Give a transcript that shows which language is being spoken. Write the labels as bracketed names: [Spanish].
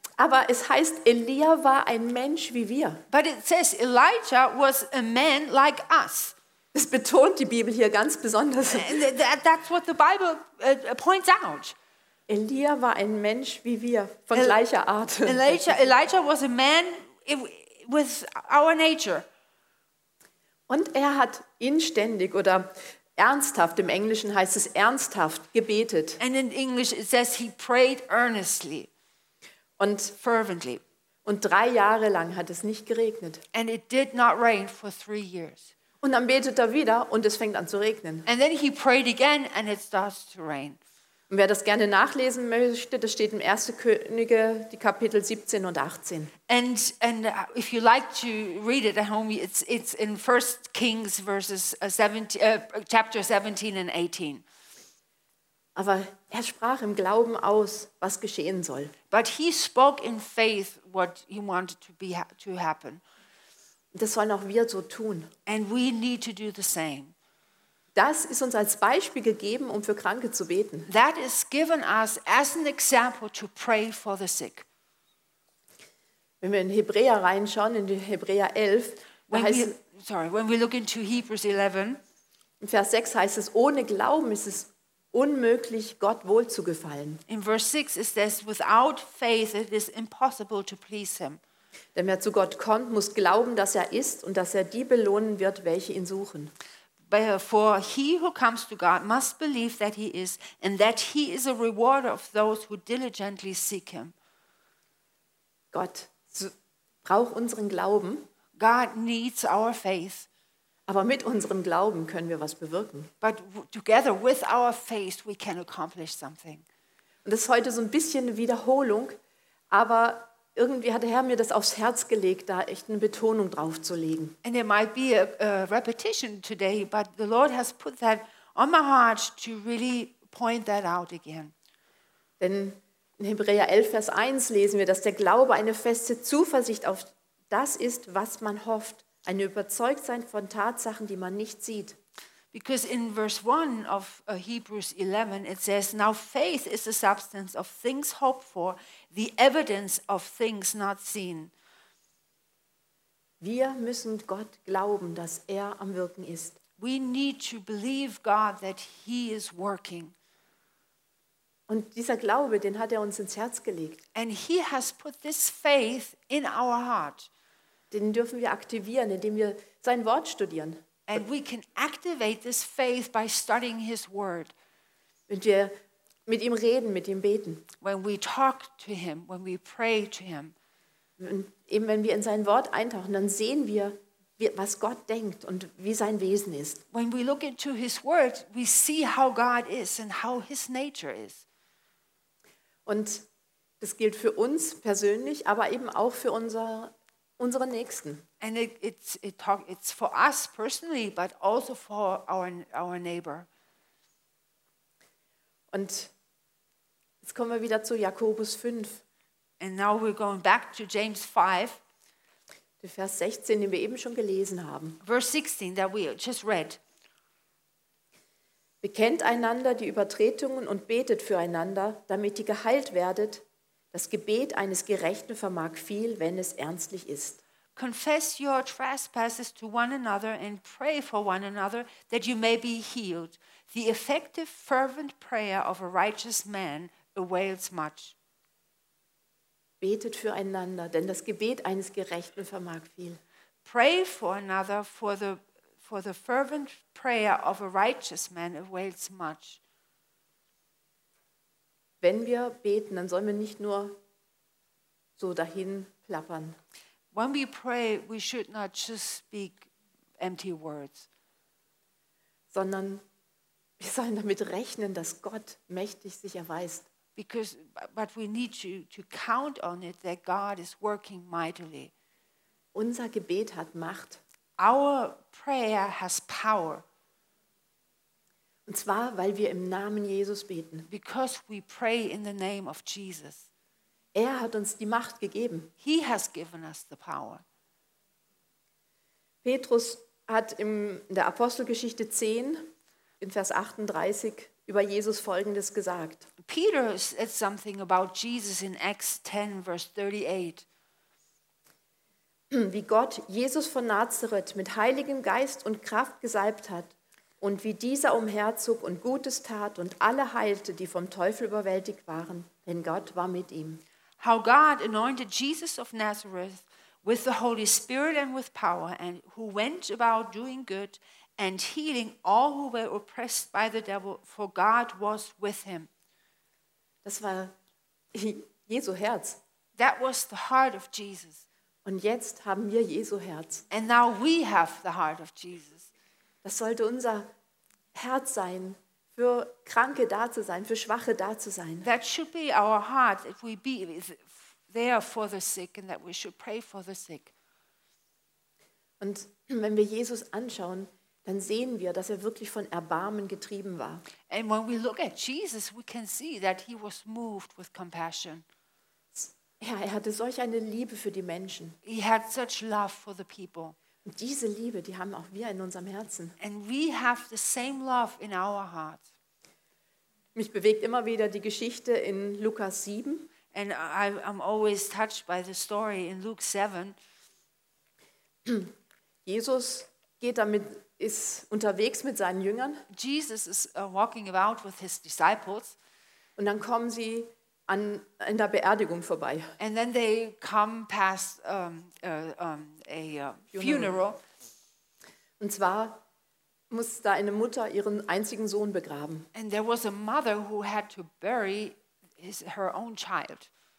[German] Aber es heißt, Elia war ein Mensch wie wir. [English] But it says Elijah was a man like us. [German] Das betont die Bibel hier ganz besonders. [English] That's what the Bible points out. [German] Elia war ein Mensch wie wir, von gleicher Art. [English] Elijah was a man with our nature. [German] Und er hat inständig oder ernsthaft, im Englischen heißt es ernsthaft, gebetet. [English] And in English it says he prayed earnestly. [German] Und [English] fervently. [German] Und 3 Jahre lang hat es nicht geregnet. [English] And it did not rain for 3 years. [German] Und dann betet er wieder und es fängt an zu regnen. [English] And then he prayed again and it starts to rain. [German] Und wer das gerne nachlesen möchte, das steht im 1. Könige, die Kapitel 17 und 18. [English] And if you like to read it at home, it's in 1. Kings chapter 17 and 18. [German] Aber er sprach im Glauben aus, was geschehen soll. [English] But he spoke in faith what he wanted to happen. [German] Das sollen auch wir so tun. [English] And we need to do the same. [German] Das ist uns als Beispiel gegeben, um für Kranke zu beten. [English] That is given us as an example to pray for the sick. [German] Wenn wir in Hebräer reinschauen, in die Hebräer 11, [English] when we look into Hebrews 11, [German] in Vers 6 heißt es, ohne Glauben ist es unmöglich, Gott wohlzugefallen. [English] In verse 6 is this, without faith it is impossible to please him. [German] Denn wer zu Gott kommt, muss glauben, dass er ist und dass er die belohnen wird, welche ihn suchen. [English] For he who comes to God must believe that he is and that he is a rewarder of those who diligently seek him. [German] Gott braucht unseren Glauben. [English] God needs our faith. [German] Aber mit unserem Glauben können wir was bewirken. [English] But together with our faith we can accomplish something. [German] Und das ist heute so ein bisschen eine Wiederholung, aber irgendwie hat der Herr mir das aufs Herz gelegt, da echt eine Betonung drauf zu legen. [English] And it might be a repetition today, but the Lord has put that on my heart to really point that out again. [German] Denn in Hebräer 11, Vers 1 lesen wir, dass der Glaube eine feste Zuversicht auf das ist, was man hofft. Ein Überzeugtsein von Tatsachen, die man nicht sieht. [English] Because in verse 1 of Hebrews 11, it says, now faith is the substance of things hoped for, the evidence of things not seen. [German] Wir müssen Gott glauben, dass er am Wirken ist. [English] We need to believe God that he is working. [German] Und dieser Glaube, den hat er uns ins Herz gelegt. [English] And he has put this faith in our heart. [German] Den dürfen wir aktivieren, indem wir sein Wort studieren. [English] And we can activate this faith by studying his word. [German] Wenn wir mit ihm reden, mit ihm beten. [English] When we talk to him, when we pray to him. [German] Eben wenn wir in sein Wort eintauchen, dann sehen wir, was Gott denkt und wie sein Wesen ist. [English] When we look into his word, we see how God is and how his nature is. [German] Und das gilt für uns persönlich, aber eben auch für unsere Nächsten. [English] And it's for us personally, but also for our neighbor. [German] Und jetzt kommen wir wieder zu Jakobus 5. [English] And now we're going back to James 5. [German] Der Vers 16, den wir eben schon gelesen haben. [English] Verse 16 that we just read. [German] Bekennt einander die Übertretungen und betet füreinander, damit ihr geheilt werdet. Das Gebet eines Gerechten vermag viel, wenn es ernstlich ist. [English] Confess your trespasses to one another and pray for one another that you may be healed. The effective fervent prayer of a righteous man avails much. [German] Betet füreinander, denn das Gebet eines Gerechten vermag viel. [English] Pray for another, for the fervent prayer of a righteous man avails much. [German] Wenn wir beten, dann sollen wir nicht nur so dahin plappern. [English] When we pray, we should not just speak empty words. [German] Sondern wir sollen damit rechnen, dass Gott mächtig sich erweist. [English] Because, but we need to count on it that God is working mightily. [German] Unser Gebet hat Macht. [English] Our prayer has power. [German] Und zwar, weil wir im Namen Jesus beten. [English] Because we pray in the name of Jesus. [German] Er hat uns die Macht gegeben. [English] He has given us the power. [German] Petrus hat in der Apostelgeschichte 10 in Vers 38 über Jesus Folgendes gesagt. [English] Peter said something about Jesus in Acts 10, verse 38. [German] Wie Gott Jesus von Nazareth mit Heiligem Geist und Kraft gesalbt hat und wie dieser umherzog und Gutes tat und alle heilte, die vom Teufel überwältigt waren, denn Gott war mit ihm. [English] How God anointed Jesus of Nazareth with the Holy Spirit and with power and who went about doing good and healing all who were oppressed by the devil, for God was with him. [German] Das war Jesu Herz. [English] That was the heart of Jesus. [German] Und jetzt haben wir Jesu Herz. [English] And now we have the heart of Jesus. [German] Das sollte unser Herz sein, für Kranke da zu sein, für Schwache da zu sein. [English] That should be our heart, if we be there for the sick and that we should pray for the sick. [German] Und wenn wir Jesus anschauen, dann sehen wir, dass er wirklich von Erbarmen getrieben war. [English] And when we look at Jesus, we can see that he was moved with compassion. [German] Ja, er hatte solch eine Liebe für die Menschen. [English] He had such love for the people. [German] Und diese Liebe, die haben auch wir in unserem Herzen. [English] And we have the same love in our heart. [German] Mich bewegt immer wieder die Geschichte in Lukas 7. [English] And I'm always touched by the story in Luke 7. [German] Jesus geht damit ist unterwegs mit seinen Jüngern. [English] Jesus is walking about with his disciples. [German] Und dann kommen sie an in der Beerdigung vorbei. [English] And then they come past funeral. [German] Und zwar muss da eine Mutter ihren einzigen Sohn begraben. [English] And there was a mother who had to bury her own child.